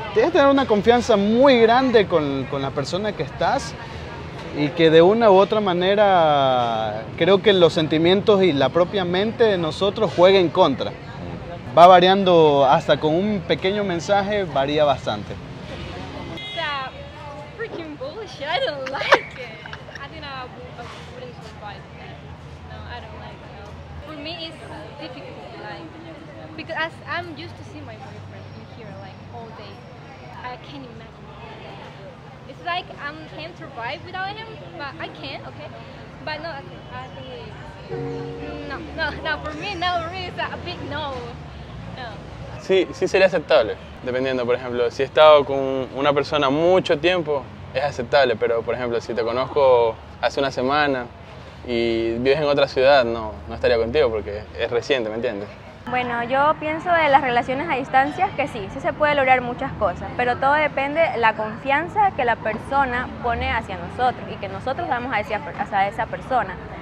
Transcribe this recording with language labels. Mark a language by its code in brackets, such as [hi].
[es] Tienes que tener una confianza muy grande con la persona que estás y que de una u otra manera creo que los sentimientos y la propia mente de nosotros juegan en contra. Va variando hasta con un pequeño mensaje, varía bastante. [en] That freaking bullshit, I don't like it. I think I wouldn't survive that. No, I don't like it. For me it's difficult, like, because I'm used to see my boyfriend in here like all day. I can't imagine. It's like I can't survive without him, but I can, okay? But no, I think for me, it's a big no. [es] Sí, sí sería aceptable, dependiendo, por ejemplo, si he estado con una persona mucho tiempo, es aceptable, pero, por ejemplo, si te conozco hace una semana y vives en otra ciudad, no estaría contigo porque es reciente, ¿me entiendes? Bueno, yo pienso de las relaciones a distancia que sí, sí se puede lograr muchas cosas, pero todo depende de la confianza que la persona pone hacia nosotros y que nosotros damos hacia esa persona.